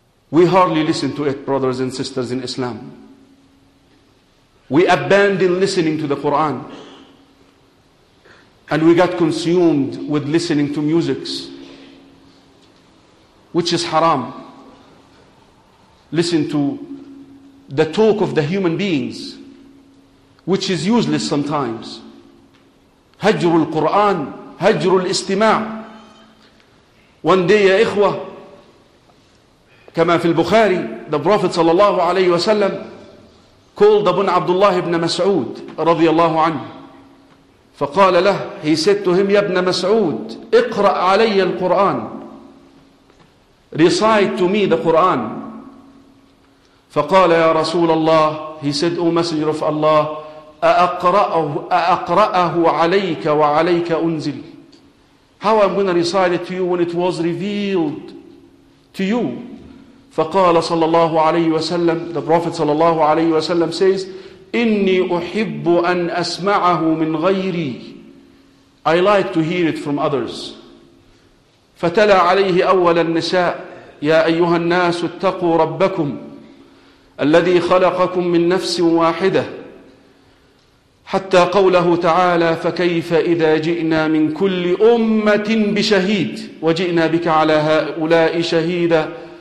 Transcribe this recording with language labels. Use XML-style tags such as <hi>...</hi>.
<en>We hardly listen to it, brothers and sisters in Islam. We abandon listening to the Quran, and we got consumed with listening to musics, which is haram. Listen to the talk of the human beings, which is useless sometimes.</en> <ar>هجر القرآن, هجر الاستماع.</ar> <en>One day,</en> <ar>ya ikhwa, كما في البخاري,</ar> <en>the Prophet</en> <ar>صلى الله عليه وسلم</ar> <en>called Abu Abdullah ibn Mas'ud</en> <ar>رضي الله عنه. فقال له,</ar> <en>he said to him,</en> <ar>يا ابن مسعود, اقرأ علي القرآن.</ar> <en>Recite to me the Quran.</en> <ar>فقال يا رسول الله,</ar> <en>he said, O Messenger of Allah,</en> <ar>أَأَقْرَأَهُ عَلَيْكَ وَعَلَيْكَ أُنزِلْ.</ar> <en>How am I going to recite it to you when it was revealed to you?</en> <ar>فَقَالَ صَلَى اللَّهُ عَلَيْهِ وَسَلَّمْ,</ar> <en>the Prophet</en> <ar>صَلَى اللَّهُ عَلَيْهِ وَسَلَّمْ</ar> <en>says,</en> <ar>إِنِّي أُحِبُّ أَنْ أَسْمَعَهُ مِنْ غَيْرِي.</ar> <en>I like to hear it from others.</en> <ar>فَتَلَى عَلَيْهِ أَوَّلَ النِّسَاءِ, يَا أَيُّهَا النَّاسُ اتَّقُوا رَبَّكُمْ الَّذِي خَلَقَكُمْ مِنْ نَفْسٍ وَاحِدَةٍ حَتَّى قَوْلَهُ تَعَالَى فَكَيْفَ إِذَا جِئْنَا مِنْ كُلِّ أُمَّةٍ بِشَهِيدٍ وَجِئْنَا بِكَ عَلَى هَؤُلَاءِ شَهِيدًا.</ar>